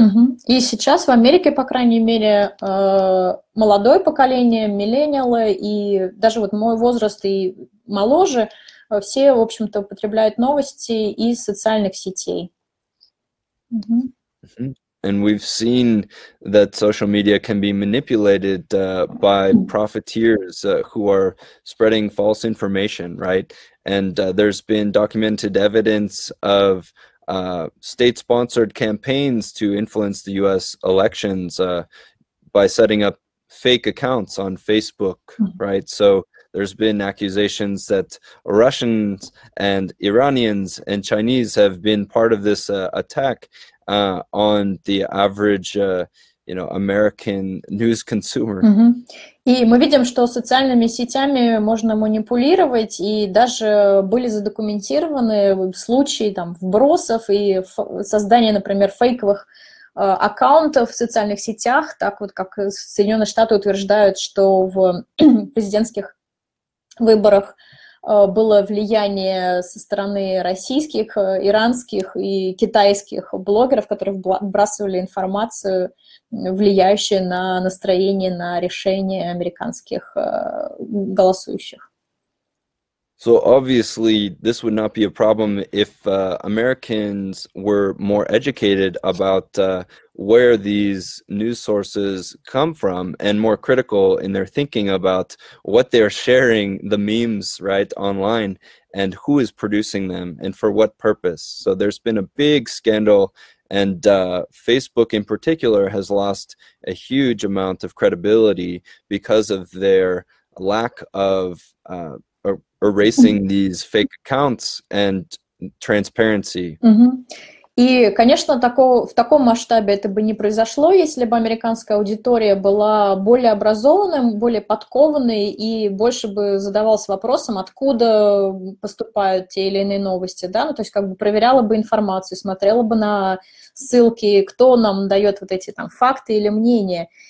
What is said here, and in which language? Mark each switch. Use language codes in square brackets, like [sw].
[ru] Mm-hmm. И сейчас в Америке, по крайней мере, молодое поколение, миллениалы, и даже вот мой возраст и моложе, все, в общем-то, потребляют новости из социальных сетей. Mm-hmm. [en] And we've seen that social media can be manipulated by profiteers who are spreading false information, right? And there's been documented evidence of state-sponsored campaigns to influence the U.S. elections by setting up fake accounts on Facebook, right? So there's been accusations that Russians and Iranians and Chinese have been part of this attack on the average, you know, American news consumer. Mm-hmm. [ru] И мы видим, что социальными сетями можно манипулировать, и даже были задокументированы случаи там вбросов и создания, например, фейковых аккаунтов в социальных сетях, так вот как Соединенные Штаты утверждают, что в президентских выборах было влияние со стороны российских, иранских и китайских блогеров, которые вбрасывали информацию, влияющую на настроение, на решение американских голосующих. [en] So obviously this would not be a problem if Americans were more educated about where these news sources come from and more critical in their thinking about what they're sharing the memes right online and who is producing them and for what purpose. So there's been a big scandal, and Facebook in particular has lost a huge amount of credibility because of their lack of erasing these fake accounts and transparency. Mm-hmm. [ru] И, конечно, в таком масштабе это бы не произошло, если бы американская аудитория была более образованной, более подкованной и больше бы задавалась вопросом, откуда поступают те или иные новости, да, ну, то есть как бы проверяла бы информацию, смотрела бы на ссылки, кто нам дает вот эти там факты или мнения.